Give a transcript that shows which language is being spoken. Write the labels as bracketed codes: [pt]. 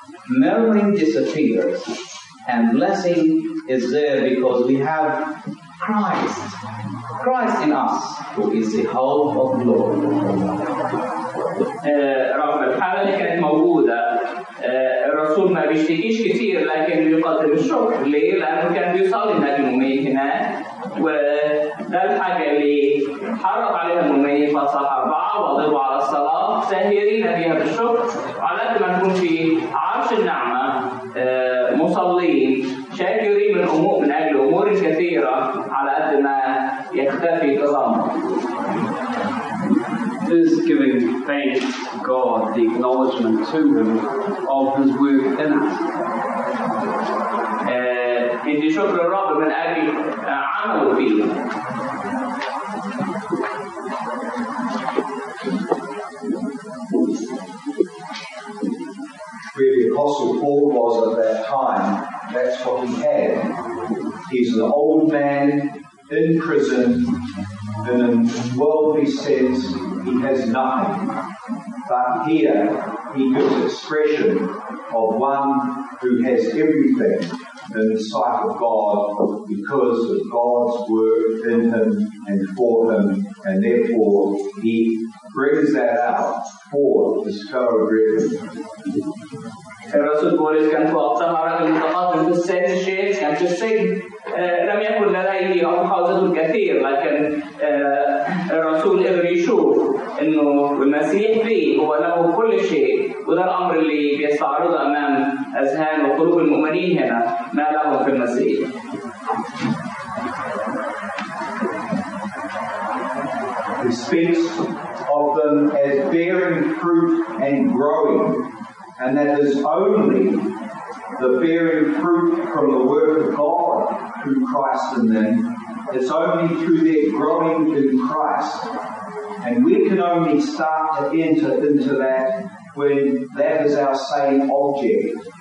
[en] Murmuring disappears, and blessing is there because we have Christ. Christ in us, who is the hope of glory. [ar] رغم الحالة اللي كانت موجودة الرسول ما بيشتكيش كتير لكن بيقدم الشكر ليه؟ لأنه كان بيصلي مع المؤمنين هناك وده الحاجة اللي حرض عليها المؤمنين في الصلاة أربعة وضربوا على الصلاة ساهرين بيها بالشكر على قد ما نكون في عرش النعمة مصلين شاكرين من أمور من أجل أمور كثيرة على قد ما يختفي كلامه. [en] This is giving thanks to God, the acknowledgement to Him of His work in us. [ar] إن شكر الرب من أجل عمله فيه. [en] Where the Apostle Paul was at that time, that's what he had. He's an old man in prison, in a worldly sense. He has nothing, but here he gives expression of one who has everything in the sight of God because of God's work in him and for him, and therefore he brings that out for his co-brethren. [ar] الرسول بولس كان في وقتها رجل متقدم في السن شيخ كان في السجن لم يكن لديه محاوزات كثير لكن الرسول قدر يشوف انه المسيح فيه هو له كل شيء وده الامر اللي بيستعرضه امام اذهان وقلوب المؤمنين هنا ما لهم في المسيح. [en] He speaks of them as bearing fruit and growing. And that is only the bearing fruit from the work of God through Christ in them. It's only through their growing in Christ. And we can only start to enter into that when that is our same object.